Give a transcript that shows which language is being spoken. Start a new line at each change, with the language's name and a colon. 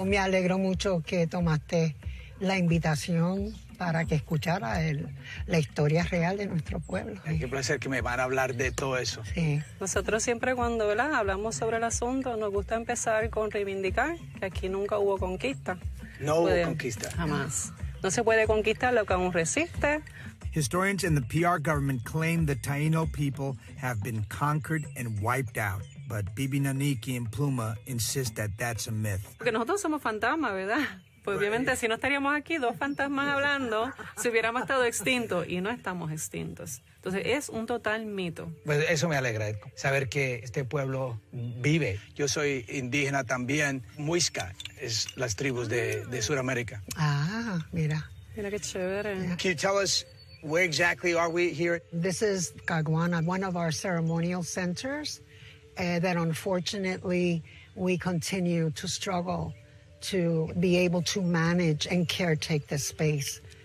Spanish: Me alegro mucho que tomaste la invitación para que escuchara la historia real de nuestro pueblo. Ay, qué placer que me van a hablar de todo eso. Sí. Nosotros siempre cuando, ¿verdad?, hablamos sobre el asunto, nos gusta empezar con reivindicar que aquí nunca hubo conquista. No hubo conquista. Jamás. No se puede conquistar lo que aún resiste.
English: Historians and the PR government claim the Taíno people have been conquered and wiped out. But Bibi Naniki and Pluma insist that that's a myth.
Spanish: Porque nosotros somos fantasmas, ¿verdad? Pues obviamente, si no estaríamos aquí dos fantasmas hablando, si hubiéramos estado extintos, y no estamos extintos. Entonces, es un total mito. Pues eso me alegra, saber que este pueblo vive. Yo soy indígena también, muisca, es las tribus de Sudamérica. Ah, mira. Mira qué chévere.
English: Can you tell us where exactly are we here? This is Caguana, one of our ceremonial centers, that unfortunately we continue to struggle to be able to manage and caretake this space.